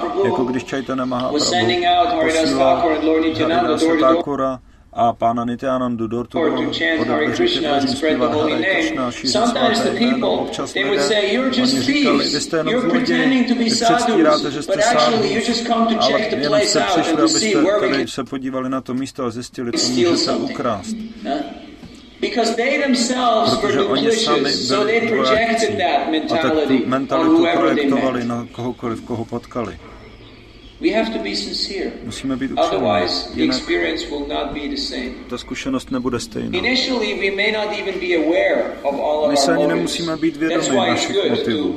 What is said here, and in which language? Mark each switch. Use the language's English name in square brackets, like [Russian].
[Czech] Jako když Chaitanya Mahaprabhu posílá Haridasa Thakura a pána Nityanandu [English] door to door, [Czech] odebeří ty dveří, zpívat Hare Krishna, šíří svaté jméno. Občas lidé, oni říkali, vy jste jenom lidi, vy předstíráte, že jste sádhus, ale jenom jste přišli, abyste tady se podívali na to místo a zjistili, co můžete ukrást. [English] Because they themselves [Czech] protože [English] were duplicious, so they projected that mentality on whoever they met. [Czech] Na kohokoliv, koho potkali. [English] We have to be sincere. [Czech] Musíme být upřímní. [English] Otherwise, the experience will not be the same. [Czech] Ta zkušenost nebude stejná. [English] Initially, we may not even be aware of all of our motives. [Czech] My se ani nemusíme být vědomi našich motivů.